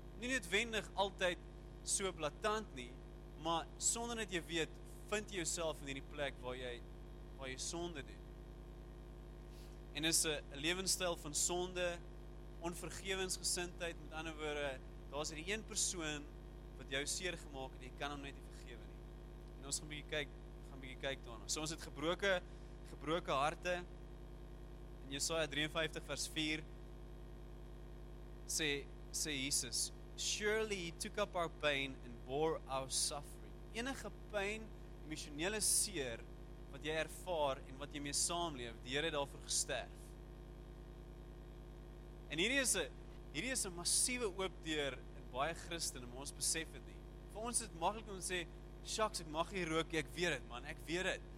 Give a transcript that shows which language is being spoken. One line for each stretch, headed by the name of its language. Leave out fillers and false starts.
Afrikaans: Nie noodwendig altyd so blaatant nie, maar sonder dat jy weet, vind jy jouself in hierdie plek waar jy sonde doen. En is 'n lewenstyl van sonde, onvergewensgesindheid, met ander woorde, daar's hierdie een persoon wat jou seer gemaak het, jy kan hom net nie vergewe nie. En ons gaan bietjie kyk daarna. So ons het gebroke harte. In Jesaja 53 vers 4 sê Jesus,
English: "Surely he took up our pain and bore our suffering."
Afrikaans: Enige pyn, emosionele seer wat jy ervaar en wat jy mee saamleef, die Here het daarvoor gesterf. En hierdie is 'n massiewe oopdeur in baie Christene, maar ons besef dit nie. Vir ons is dit maklik om te sê, "Shucks, ek mag nie rook nie, ek weet dit, man, ek weet dit."